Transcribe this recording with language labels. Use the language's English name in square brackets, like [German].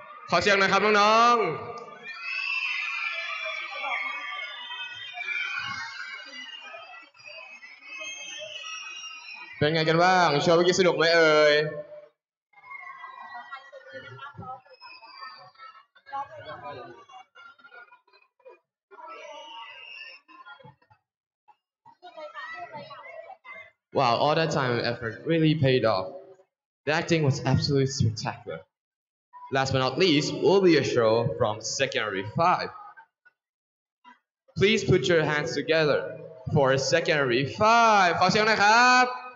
[Thai] ขอเสียงหน่อยครับน้องเป็นไงกันบ้างชอบเมื่อกี้สนุกไหมเอ่ยว้าว [English] all that time and effort really paid off. The acting was absolutely spectacular. Last but not least will be a show from Secondary 5. Please put your hands together for Secondary 5. [Thai] ขอเสียงหน่อยครับ